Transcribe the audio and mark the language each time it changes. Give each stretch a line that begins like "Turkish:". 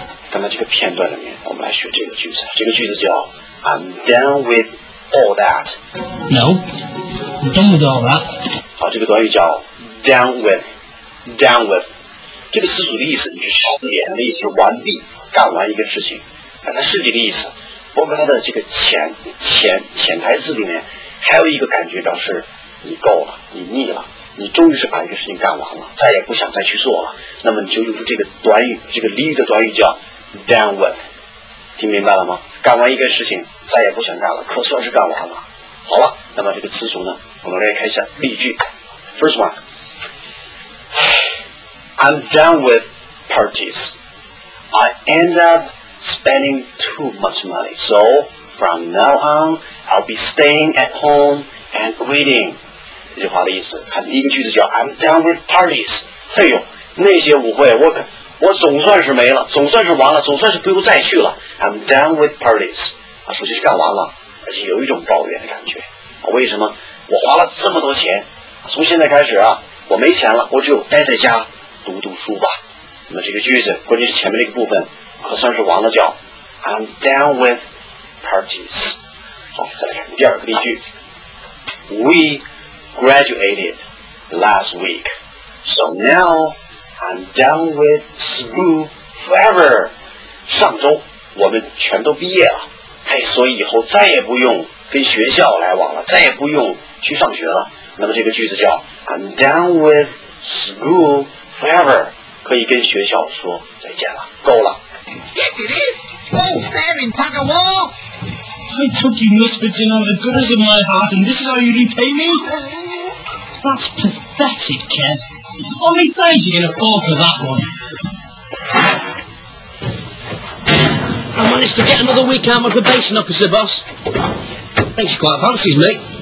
Chinese: 刚才这个片段里面，我们来学这个句子。这个句子叫
English: I'm done with all that. No. I'm done with all that.
Chinese: 好，这个短语叫Down with, 这个词组的意思就是字眼的意思，完毕，干完一个事情。但它实际的意思，包括它的这个潜台词里面，还有一个感觉表示你够了，你腻了，你终于是把一个事情干完了，再也不想再去做了。那么你就用出这个短语，这个俚语的短语叫 down with， 听明白了吗？干完一个事情，再也不想干了，可算是干完了。好了，那么这个词组呢，我们来看一下例句。
English: First one. I'm done with parties. I end up spending too much money. So, from now on, I'll be staying at home and waiting.
Chinese: 这句话的意思，看第一个句子叫
English: I'm done with parties.
Chinese: 哎呦，那些舞会，我总算是没了，总算是完了，总算是不用再去了。
English: I'm done with parties.
Chinese: 啊，首先是干完了，而且有一种抱怨的感觉。啊，为什么？我花了这么多钱，从现在开始啊，我没钱了，我只有待在家。读读书吧。那么这个句子关键是前面这个部分可算是完了，叫
English: I'm done with parties。
Chinese: 好，再来看第二个例句。
English: We graduated last week, so now I'm done with school forever.
Chinese: 上周我们全都毕业了，哎，所以以后再也不用跟学校来往了，再也不用去上学了。那么这个句子叫
English: I'm done with school forever，
Chinese: 可以跟学校说再见了，够了。
English: Yes, it is. Oh, Baron Tuggerwall. I took you misfits and all the goodness of my heart, and this is how you repay me? That's pathetic, Kev. How many times are you going to fall for that one? I managed to get another week out with probation, officer boss. I think she quite fancies me.